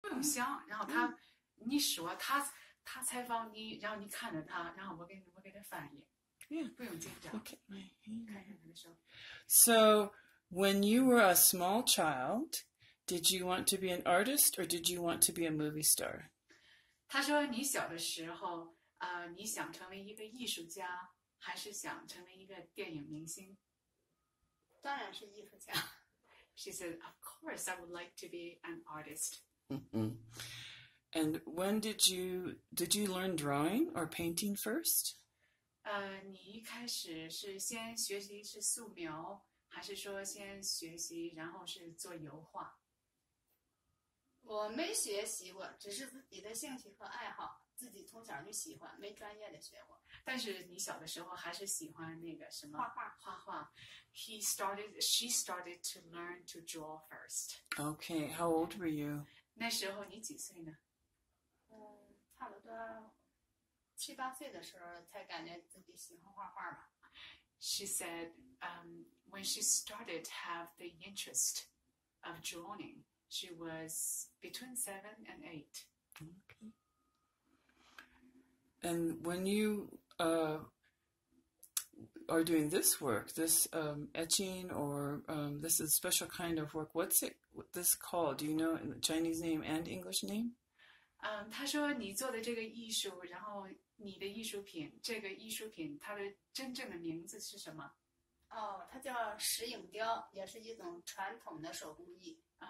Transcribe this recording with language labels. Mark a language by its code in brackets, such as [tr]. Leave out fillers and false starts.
[zh] 很香，然后他你说他采访你，然后你看着他，然后我给他翻译，不用紧张， [en] Okay. [zh] 看着他的手。 [en] So, when you were a small child, did you want to be an artist or did you want to be a movie star? [zh] 他说你小的时候，你想成为一个艺术家，还是想成为一个电影明星？当然是艺术家。 [en] She said, "Of course, I would like to be an artist." And when did you learn drawing or painting first? [zh] 你一开始是先学习是素描，还是说先学习，然后是做油画？我没学习过，只是自己的兴趣和爱好，自己从小就喜欢，没专业的学过。但是你小的时候还是喜欢那个什么画画。画画。 [en] She started to learn to draw first。 Okay, how old were you? [zh] 那时候你几岁呢？差不多七八岁的时候才感觉自己喜欢画画吧。 [en] She said, when she started to have the interest of drawing, she was between 7 and 8. And when you are doing this work, this etching or this is a special kind of work, what's it this called? Do you know the Chinese name and English name? [zh] 他说你做的这个艺术，然后你的艺术品，这个艺术品它的真正的名字是什么？哦，它叫石影雕，也是一种传统的手工艺。